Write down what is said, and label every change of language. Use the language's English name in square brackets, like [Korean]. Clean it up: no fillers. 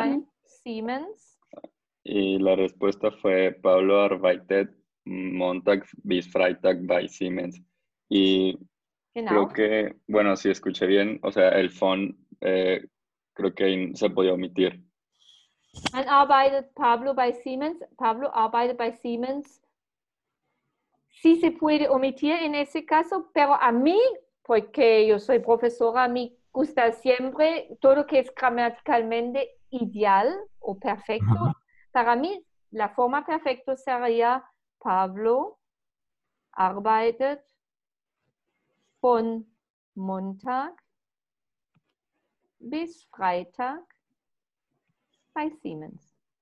[German] Van Siemens. [Spanish] Y la respuesta fue [German] Pablo arbeitet Montag bis Freitag bei Siemens. [Spanish] Y genau. Creo que, bueno, si escuché bien, o sea, el phone creo que se podía omitir. [German] Man arbeitet Pablo bei Siemens. Pablo arbeitet bei Siemens. [Spanish] Sí se puede omitir en ese caso, pero a mí, porque yo soy profesora, me gusta siempre todo que es gramaticalmente ideal o perfecto. Para mí, la forma perfecta sería [German] Pablo arbeitet von Montag bis Freitag. [Spanish] By Siemens.